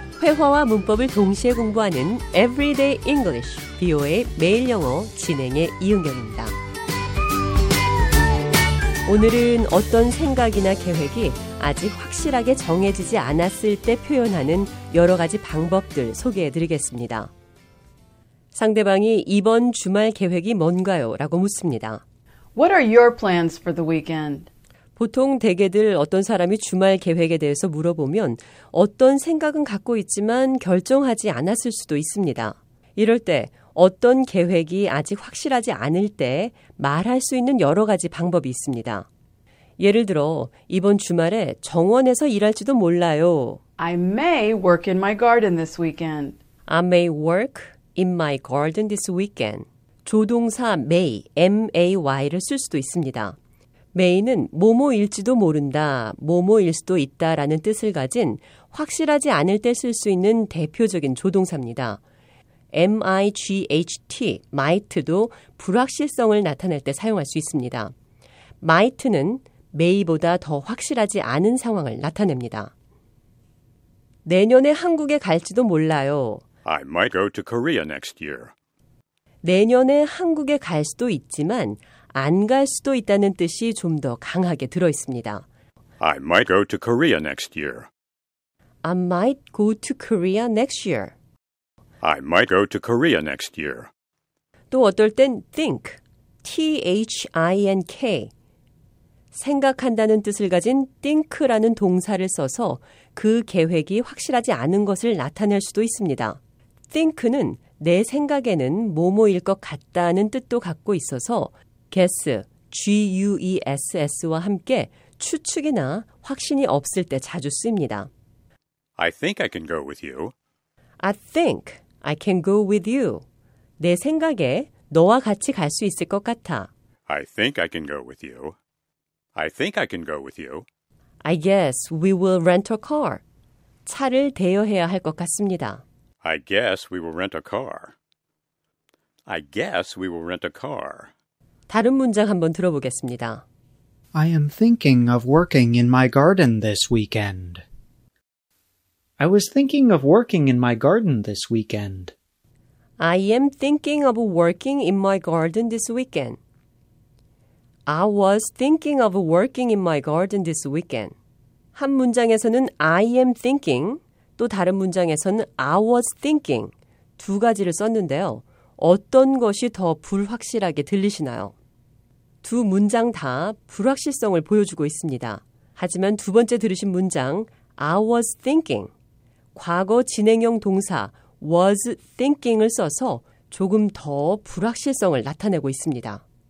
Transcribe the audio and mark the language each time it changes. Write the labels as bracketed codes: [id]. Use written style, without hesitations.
[ko] 회화와 문법을 동시에 공부하는 Everyday English, VOA 매일 영어 진행의 이은경입니다. 오늘은 어떤 생각이나 계획이 아직 확실하게 정해지지 않았을 때 표현하는 여러 가지 방법들 소개해드리겠습니다. 상대방이 이번 주말 계획이 뭔가요? 라고 묻습니다. [en] What are your plans for the weekend? [ko] 보통 대개들 어떤 사람이 주말 계획에 대해서 물어보면 어떤 생각은 갖고 있지만 결정하지 않았을 수도 있습니다. 이럴 때 어떤 계획이 아직 확실하지 않을 때 말할 수 있는 여러 가지 방법이 있습니다. 예를 들어 이번 주말에 정원에서 일할지도 몰라요. [en] I may work in my garden this weekend. I may work in my garden this weekend. [ko] 조동사 may, M-A-Y를 쓸 수도 있습니다. may는 뭐뭐일지도 모른다, 뭐뭐일 수도 있다라는 뜻을 가진 확실하지 않을 때 쓸 수 있는 대표적인 조동사입니다. might, might도 불확실성을 나타낼 때 사용할 수 있습니다. might는 may보다 더 확실하지 않은 상황을 나타냅니다. 내년에 한국에 갈지도 몰라요. [en] I might go to Korea next year. [ko] 내년에 한국에 갈 수도 있지만 안 갈 수도 있다는 뜻이 좀 더 강하게 들어 있습니다. [en] I might go to Korea next year. I might go to Korea next year. I might go to Korea next year. [ko] 또 어떨 땐 think, T-H-I-N-K. 생각한다는 뜻을 가진 think라는 동사를 써서 그 계획이 확실하지 않은 것을 나타낼 수도 있습니다. think는 내 생각에는 뭐뭐일 것 같다는 뜻도 갖고 있어서 guess, G-U-E-S-S와 함께 추측이나 확신이 없을 때 자주 씁니다. [en] I think I can go with you. I think I can go with you. [ko] 내 생각에 너와 같이 갈 수 있을 것 같아. [en] I think I can go with you. I think I can go with you. I guess we will rent a car. [ko] 차를 대여해야 할 것 같습니다. [en] I guess we will rent a car. I guess we will rent a car. [ko] 다른 문장 한번 들어보겠습니다. [en] I am thinking of working in my garden this weekend. I was thinking of working in my garden this weekend. I am thinking of working in my garden this weekend. I was thinking of working in my garden this weekend. [ko] 한 문장에서는 [en] I am thinking, [ko] 또 다른 문장에서는 [en] I was thinking [ko] 두 가지를 썼는데요. 어떤 것이 더 불확실하게 들리시나요? 두 문장 다 불확실성을 보여주고 있습니다. 하지만 두 번째 들으신 문장 [en] I was thinking, [ko] 과거 진행형 동사 was thinking을 써서 조금 더 불확실성을 나타내고 있습니다.